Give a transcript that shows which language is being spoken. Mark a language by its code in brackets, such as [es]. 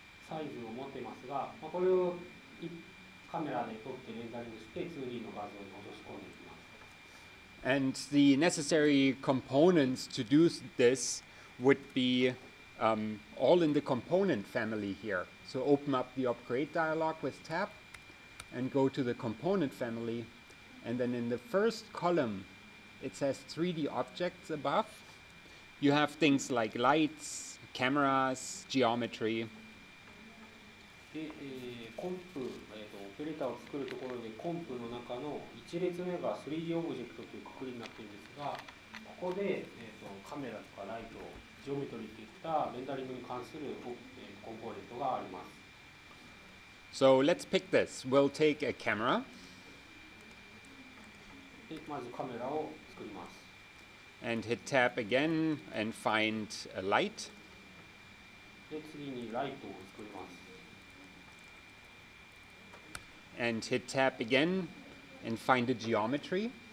[ja] サイズを持っていますが、まあ、これをカメラで撮ってレンダリングして 2D の画像に落とし込んでいきます。 [en] And the necessary components to do this would be、all in the component family here. So open up the upgrade dialog with tab and go to the component family. And then in the first column, it says 3D objects above. You have things like lights, cameras, geometry. [ja] で、コンプ、オペレーターを作るところでコンプの中の1列目が 3D オブジェクトという括りになっているんですが、ここで、カメラとかライト、ジオメトリーといったレンダリングに関するコンポーネントがあります。 [en] So let's pick this. We'll take a camera. [ja] で、まずカメラを作ります。 [en] And hit tab again and find a light. [ja] で、次にライトを作ります。 [en] And hit tab again and find a geometry.